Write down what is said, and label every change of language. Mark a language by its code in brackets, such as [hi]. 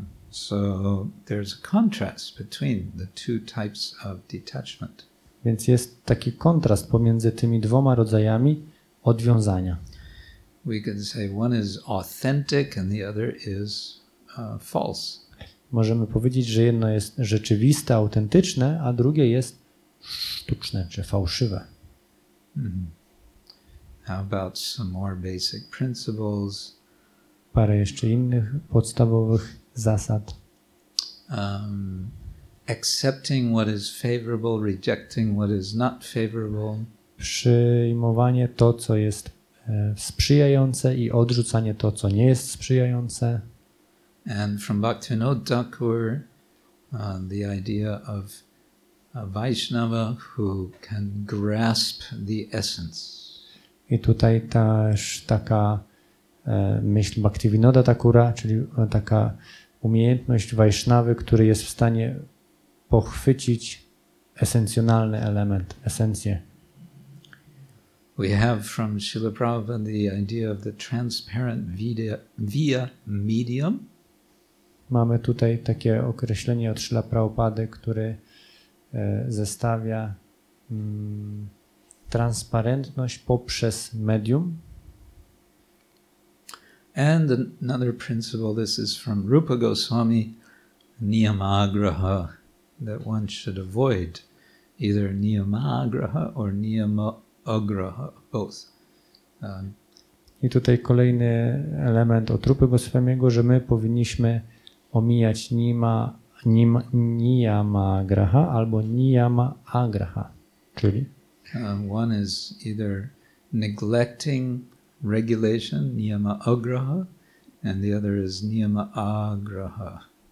[en] So there's a contrast between the two types of detachment. [pl] Więc jest taki kontrast pomiędzy tymi dwoma rodzajami odwiązania. [en] We can say one is authentic and the other is false. [pl] Możemy powiedzieć, że jedno jest rzeczywiste, autentyczne, a drugie jest sztuczne czy fałszywe. [en] How about some more basic principles? [pl] Parę jeszcze innych podstawowych zasad. [en] Accepting what is favorable, rejecting what is not favorable. [pl] Przyjmowanie to, co jest sprzyjające i odrzucanie to, co nie jest sprzyjające. [en] And from Bhaktivinoda Thakur, the idea of a Vaishnava who can grasp the essence. [pl] I tutaj też taka myśl Bhaktivinoda Thakura, czyli taka umiejętność Vaishnavy, który jest w stanie pochwycić esencjonalny element, esencję. [en] We have from Srila Prabhupada the idea of the transparent via medium. [pl] Mamy tutaj takie określenie od Srila Prabhupady, które zestawia transparentność poprzez medium. [en] And another principle, this is from Rupa Goswami, niyamagraha, that one should avoid either niyamagraha or niyamagraha, both. [pl] I tutaj kolejny element od Rupy Goswamiego, że my powinniśmy omijać niyamagraha albo niyamagraha, czyli [en] one is either neglecting regulation, niyama agraha, and the other is niyama agraha.